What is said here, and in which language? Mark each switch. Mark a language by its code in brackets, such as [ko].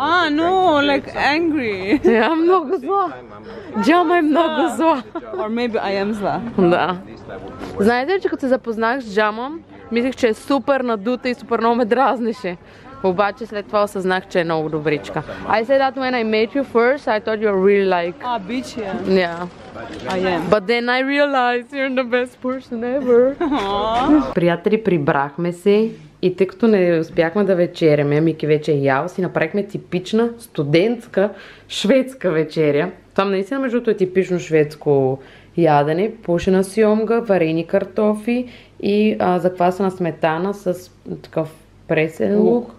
[en] No, like angry. [bg] Я много зла. Джама е много зла. [en] Or maybe I am зла. [bg] Да. Знаете ли, че като се запознах с Джама, мислих, че е супер надута и супер много ме дразнеше. Обаче след това осъзнах, че е много добричка. [en] I said that when I met you first, I thought you were really like... А, bitch, yeah. Yeah. I am. But then I realized you're the best person ever. [bg] Приятели, прибрахме се. И тъй като не успяхме да вечеряме, Мики вече е ял, си направихме типична студентска шведска вечеря. Там наистина между другото е типично шведско ядене, пушена сьомга, варени картофи и заквасена сметана с такъв пресен лук.